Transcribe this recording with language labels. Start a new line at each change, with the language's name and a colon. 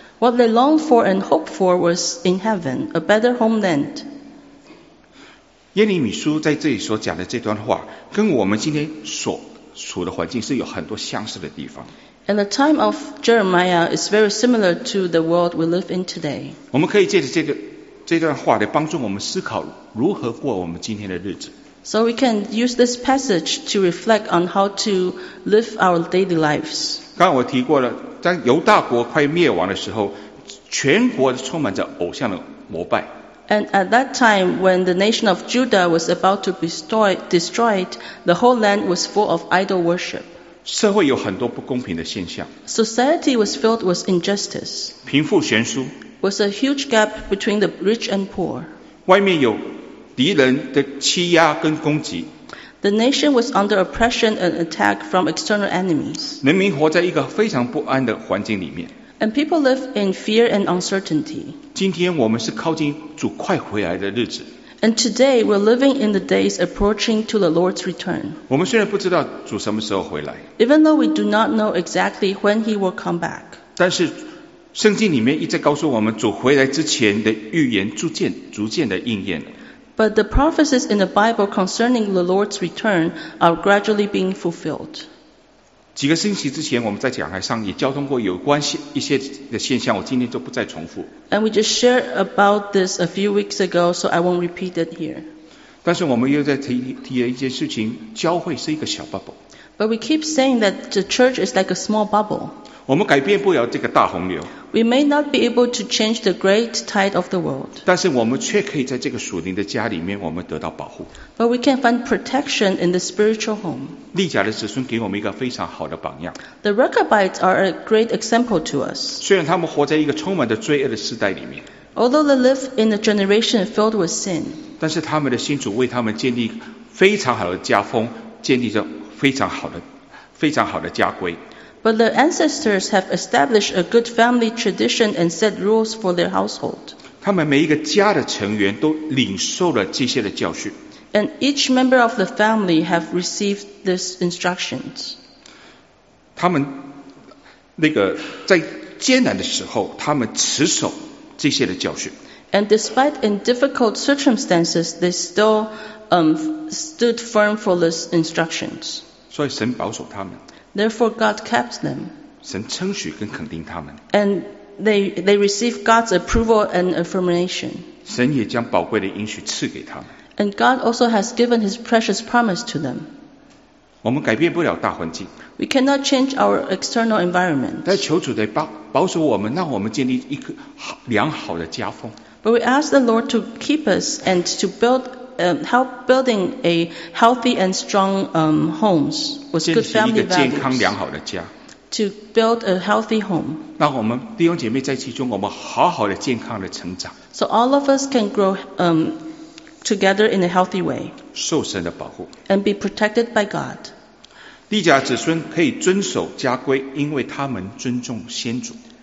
English: What they longed for and hoped for was in heaven, a better homeland.
Chinese: 耶利米书在这里所讲的这段话，跟我们今天所处的环境是有很多相似的地方。
English: And the time of Jeremiah is very similar to the world we live in today.
Chinese: 我们可以借着这段话来帮助我们思考如何过我们今天的日子。
English: So we can use this passage to reflect on how to live our daily lives.
Chinese: 刚刚我提过了，在犹大国快灭亡的时候，全国充满着偶像的膜拜。
English: And at that time, when the nation of Judah was about to be destroyed, the whole land was full of idol worship.
Chinese: 社会有很多不公平的现象。
English: Society was filled with injustice.
Chinese: 贫富悬殊。
English: Was a huge gap between the rich and poor.
Chinese: 外面有敌人的欺压跟攻击。
English: The nation was under oppression and attack from external enemies.
Chinese: 人民活在一个非常不安的环境里面。
English: And people live in fear and uncertainty.
Chinese: 今天我们是靠近主快回来的日子。
English: And today we're living in the days approaching to the Lord's return.
Chinese: 我们虽然不知道主什么时候回来。
English: Even though we do not know exactly when he will come back.
Chinese: 但是圣经里面一再告诉我们主回来之前的预言逐渐的应验了。
English: But the prophecies in the Bible concerning the Lord's return are gradually being fulfilled.
Chinese: 几个星期之前我们在讲台上也交通过有关一些的现象，我今天就不再重复。
English: And we just shared about this a few weeks ago, so I won't repeat it here.
Chinese: 但是我们又在提了一件事情，教会是一个小 bubble.
English: But we keep saying that the church is like a small bubble.
Chinese: 我们改变不了这个大洪流。
English: We may not be able to change the great tide of the world.
Chinese: 但是我们却可以在这个属灵的家里面我们得到保护。
English: But we can find protection in the spiritual home.
Chinese: 利甲的子孙给我们一个非常好的榜样。
English: The Rechabites are a great example to us.
Chinese: 虽然他们活在一个充满着罪恶的时代里面。
English: Although they live in a generation filled with sin.
Chinese: 但是他们的先祖为他们建立非常好的家风，建立着非常好的家规。
English: But the ancestors have established a good family tradition and set rules for their household.
Chinese: 他们每一个家的成员都领受了这些的教训。
English: And each member of the family have received these instructions.
Chinese: 他们那个在艰难的时候，他们持守这些的教训。
English: And despite in difficult circumstances, they still stood firm for these instructions.
Chinese: 所以神保守他们。
English: Therefore, God kept them.
Chinese: 神称许跟肯定他们。
English: And they receive God's approval and affirmation.
Chinese: 神也将宝贵的应许赐给他们。
English: And God also has given His precious promise to them.
Chinese: 我们改变不了大环境。
English: We cannot change our external environment.
Chinese: 但求主的保守我们，让我们建立一个良好的家风。
English: But we ask the Lord to keep us and to build. Help building a healthy and strong homes with good family values.
Chinese: 建立一个健康良好的家。
English: To build a healthy home.
Chinese: 让我们弟兄姐妹在其中，我们好好的健康的成长。
English: So all of us can grow together in a healthy way.
Chinese: 受神的保护。
English: And be protected by God.
Chinese: 利甲子孙可以遵守家规，因为他们尊重先祖。